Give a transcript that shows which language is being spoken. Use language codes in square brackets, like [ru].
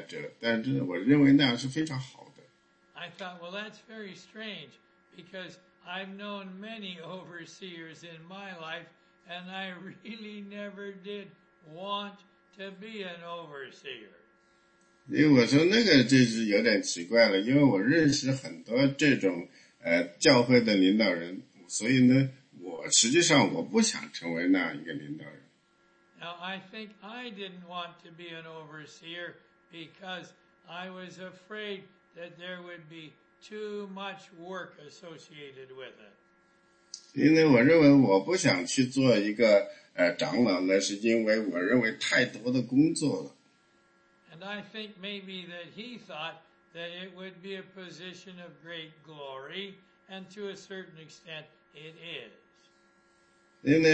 [zh] 因为我认识一个人，当他很小的时候，他说，当我还是个小男孩的时候呢，我很想做一个监督，做一个监督层，监督者，但是我认为那样是非常好的。 [en] I thought, well, that's very strange, because I've known many overseers in my life, and I really never did want to be an overseer. [zh] 因为我说那个这是有点奇怪了，因为我认识很多这种教会的领导人，所以呢，我实际上我不想成为那样一个领导人。 [en] Now I think I didn't want to be an overseer because I was afraid that there would be too much work associated with it. [zh] 因为我认为我不想去做一个长老呢，是因为我认为太多的工作了。 [en] And I think maybe that he thought that it would be a position of great glory, and to a certain extent, it is.